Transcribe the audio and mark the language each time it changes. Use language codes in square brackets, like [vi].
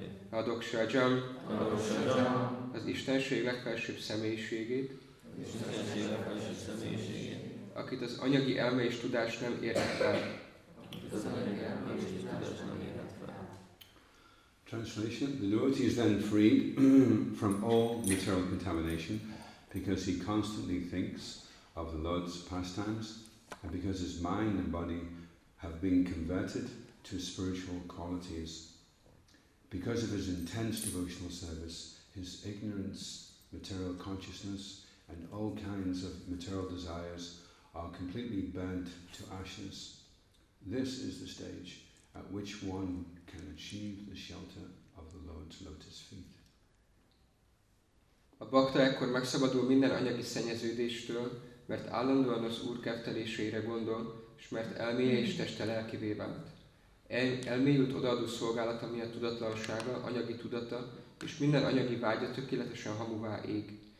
[hu] Adoksajam. Adoksajam. Az Istenség legfelsőbb személyiségét. Az Istenség legfelsőbb személyiségét. Akit az anyagi elme és tudás nem ért fel. Akit az anyagi elme és tudás nem ért fel. [en] Translation. The devotee is then freed from all material contamination because he constantly thinks of the Lord's pastimes and because his mind and body have been converted to spiritual qualities. Because of his intense devotional service, his ignorance, material consciousness, and all kinds of material desires are completely burnt to ashes. This is the stage at which one can achieve the shelter of the Lord's lotus feet. [hu] A bhakta ekkor megszabadul minden anyagi szennyeződéstől, mert állandóan az Úr kertelésére gondol, s mert elméje és teste lelkivé vált. Elmélyült odaadó szolgálata miatt tudatlansága, anyagi tudata és minden anyagi vágya tökéletesen hamuvá ég.